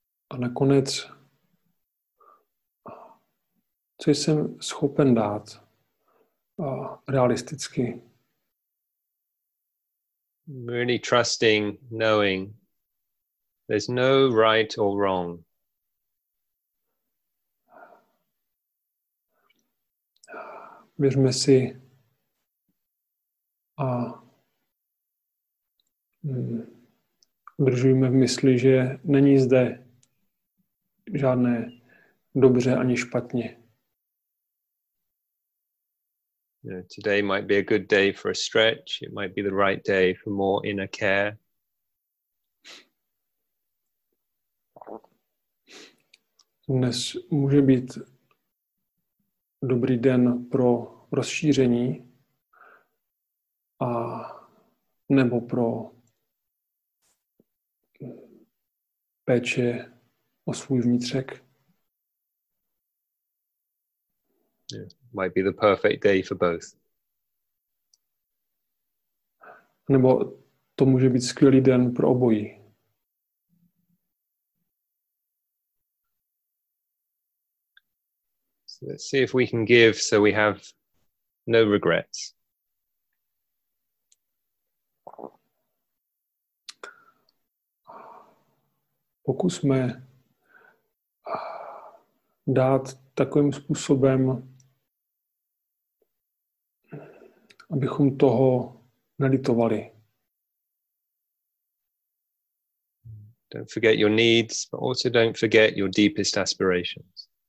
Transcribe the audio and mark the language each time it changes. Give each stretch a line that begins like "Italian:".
Czech: A nakonec, co jsem schopen dát realisticky?
English: Really trusting, knowing there's no right or wrong.
Czech: Věřme si a držujme v mysli, že není zde žádné dobře ani špatně.
English: Yeah, today might be a good day for a stretch. It might be the right day for more inner care.
Czech: Dnes může být dobrý den pro rozšíření a nebo pro péče o svůj vnitřek.
English: Yeah, might be the perfect day for both.
Czech: Nebo to může být skvělý den pro obojí.
English: So let's see if we can give so we have no regrets.
Czech: Pokusme dát takovým způsobem, abychom toho nelitovali.
English: Don't forget your needs, but also don't forget your deepest aspirations.